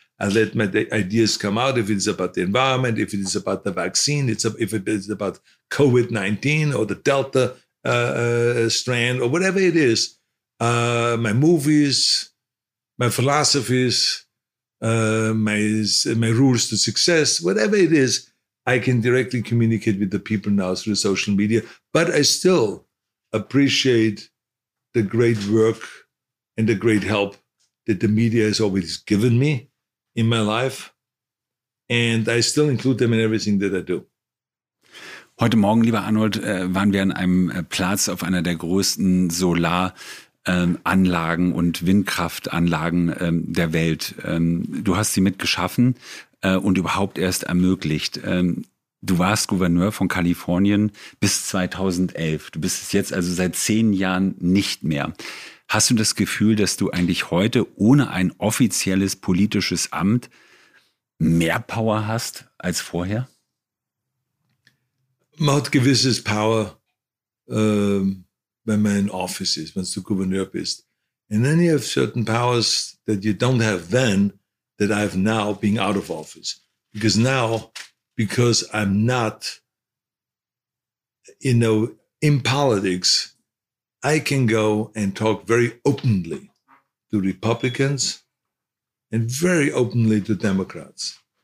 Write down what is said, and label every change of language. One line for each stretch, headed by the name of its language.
English: I let my ideas come out. If it's about the environment, if it's about the vaccine, if it's about COVID-19 or the Delta strand or whatever it is, my movies, my philosophies, my rules to success, whatever it is, I can directly communicate with the people now through social media. But I still appreciate the great work and the great help that the media has always given me in my life. And I still include them in everything that I do.
German: Heute Morgen, lieber Arnold, waren wir an einem Platz auf einer der größten Solaranlagen und Windkraftanlagen der Welt. Du hast sie mitgeschaffen und überhaupt erst ermöglicht. Du warst Gouverneur von Kalifornien bis 2011. Du bist es jetzt also seit 10 Jahren nicht mehr. Hast du das Gefühl, dass du eigentlich heute ohne ein offizielles politisches Amt mehr Power hast als vorher? Man hat gewisses Power, wenn man in Office ist, wenn du Gouverneur bist.
English: And then you have certain powers that you don't have then, that I have now being out of office. Because now, because I'm not, you know, in politics, I can go and talk very openly to Republicans and very openly to Democrats.